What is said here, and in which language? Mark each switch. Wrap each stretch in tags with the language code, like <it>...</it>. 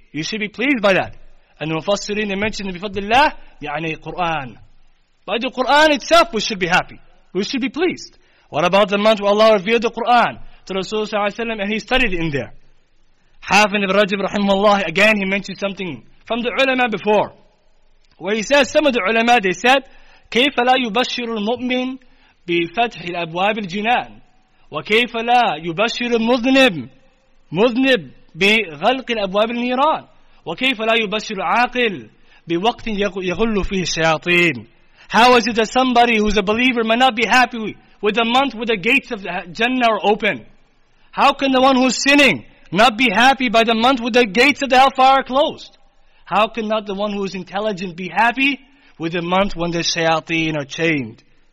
<en>You should be pleased by that. And the Mufassirin, they mentioned</en> <ar>بِفَضْلِ اللَّهِ يعني</ar> <en>Quran. By the Quran itself, we should be happy. We should be pleased. What about the month where Allah revealed the Quran to Rasulullah ﷺ and He studied in there? Hafidh ibn Rajab, rahimahullah, again he mentioned something from the ulama before. Where he says, some of the ulama, they said,</en> <ar>كَيْفَ لَا يُبَشِّرُ الْمُؤْمِنِ بِفَتْحِ الْأَبْوَابِ الْجِنَانِ وَكَيْفَ لَا يُبَشِّرُ الْمُذْنِبِ بِغَلْقِ الْأَبْوَابِ الْنِيرَانِ وَكَيْفَ لَا يُبَشِّرُ الْعَاقِلِ بِوَقْتٍ يَغُلُّ فِيهِ الشَّيَاطِينِ.</ar> <en>How is it that somebody who's a believer may not be happy with the month where the gates of Jannah are open? How can the one who's sinning not be happy by the month with the gates of the hellfire closed? How can not the one who is intelligent be happy with the month when the shayateen are chained?</en>